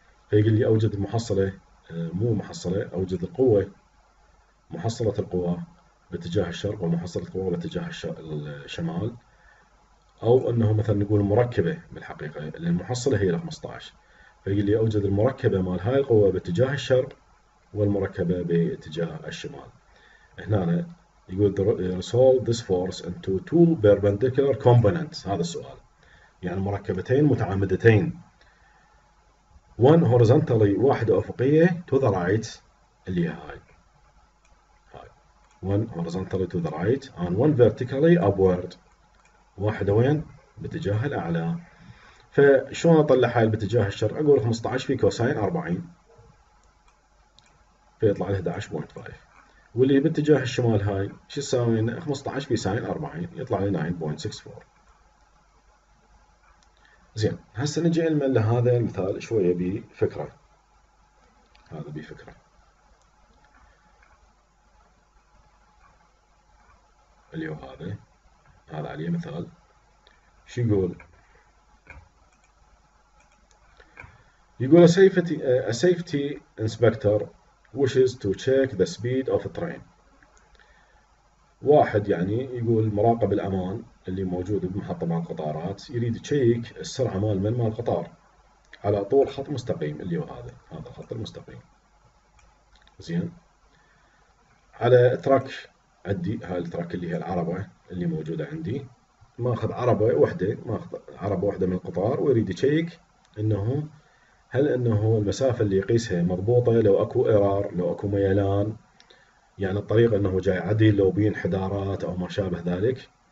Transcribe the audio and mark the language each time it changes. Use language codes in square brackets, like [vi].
[ar] فيقول لي اوجد المحصله، مو محصله، اوجد القوه، محصله القوى باتجاه الشرق ومحصله القوه باتجاه الشمال، او انه مثلا نقول مركبه بالحقيقه، لان المحصله هي 15. فيقول لي اوجد المركبه مال هاي القوه باتجاه الشرق والمركبه باتجاه الشمال. هنا يقول [en] resolve this force into two perpendicular components. [ar] هذا السؤال، يعني مركبتين متعامدتين، [en] one horizontally، [ar] واحدة أفقية [en] to the right [ar] اللي هاي، [en] one horizontally to the right and one vertically upward، [ar] واحدة وين؟ باتجاه الأعلى. فشلون أطلع هاي باتجاه الشرق؟ أقول 15 في كوساين 40 فيطلع 11.5، واللي باتجاه الشمال هاي شو يساوي؟ 15 في ساين 40 يطلع لي 9.64. زين، هسه نجي نلمل لهذا المثال شويه بفكره. هذا بفكره. اللي هو هذا عليه مثال. شو يقول؟ يقول [en] a safety inspector wishes to check the speed of a train. [ar] واحد يعني يقول مراقب الأمان اللي موجود بمحطة مع القطارات يريد يشيك السرعة مال القطار على طول خط مستقيم اللي هو هذا الخط المستقيم. زين، على تراك عندي، هاي التراك اللي هي العربة اللي موجودة عندي، ماخذ عربة واحدة، ماخذ عربة واحدة من القطار ويريد يشيك انه هل انه المسافة اللي يقيسها مضبوطة، لو اكو ايرار، لو اكو ميلان، يعني الطريق انه جاي عدل، لو بين انحدارات او ما شابه ذلك.